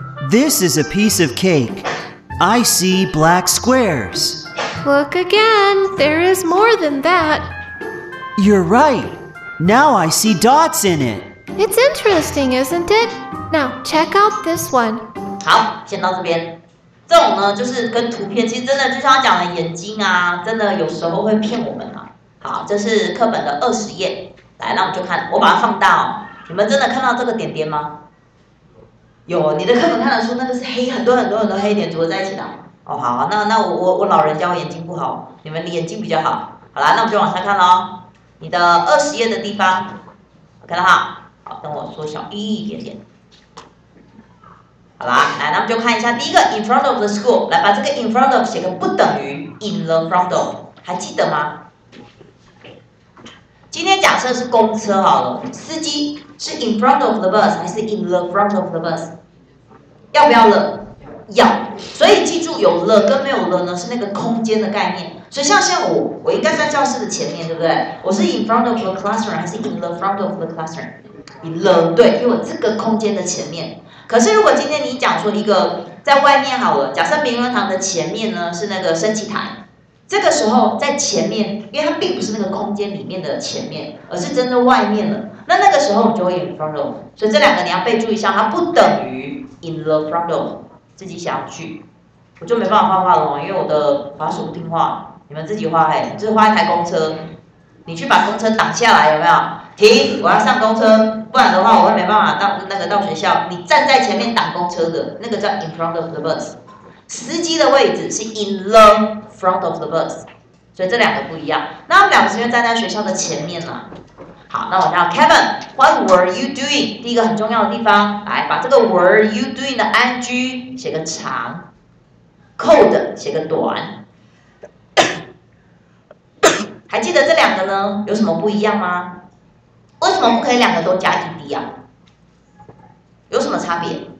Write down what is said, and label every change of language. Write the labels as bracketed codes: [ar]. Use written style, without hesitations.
[en] This is a piece of cake. I see black squares. Look again. There is more than that. You're right. Now I see dots in it. It's interesting, isn't it? Now, check out this one. [zh] 好，先到这边。这种呢，就是跟图片，其实真的就像他讲的眼睛啊，真的有时候会骗我们啊。好，这是课本的20页。来，那我们就看，我把它放大哦。你们真的看到这个点点吗？有，你的课本看得出那个是黑，很多很多很多黑点组合在一起的。哦，好，那我老人家我眼睛不好，你们眼睛比较好。好啦，那我们就往下看咯。你的20页的地方，我看到哈。好，等我缩小一点点。好啦，来，那我们就看一下第一个 [en] in front of the school， [zh] 来把这个 in front of 写个不等于 in the front of， 还记得吗？今天假设是公车好了，司机。是 [en] in front of the bus [zh] 还是 [en] in the front of the bus？ [zh] 要不要了？要。所以记住，有了跟没有了呢，是那个空间的概念。所以像现在我应该在教室的前面，对不对？我是 [en] in front of the classroom [zh] 还是 [en] in the front of the classroom？ [zh] in the 对，因为我这个空间的前面。可是如果今天你讲说一个在外面好了，假设明伦堂的前面呢是那个升旗台，这这个时候在前面，因为它并不是那个空间里面的前面，而是真的外面了。那那个时候你就会 in front of， 所以这两个你要备注一下，它不等于 [en] in the front of， [zh] 自己想要去，我就没办法画画了，因为我的滑鼠不听话。你们自己画，哎，就是画一台公车，你去把公车挡下来，有没有？停，我要上公车，不然的话我会没办法到那个到学校。你站在前面挡公车的那个叫 [en] in front of the bus。 [zh] 司机的位置是 [en] in the front of the bus， [zh] 所以这两个不一样。那他们两个是因为站在学校的前面啦。好，那我叫 Kevin， [en] What were you doing？ [zh] 第一个很重要的地方，来把这个 were you doing 的 ing 写个长， cold 写个短。还记得这两个呢？有什么不一样吗？为什么不可以两个都加 ed 啊？有什么差别？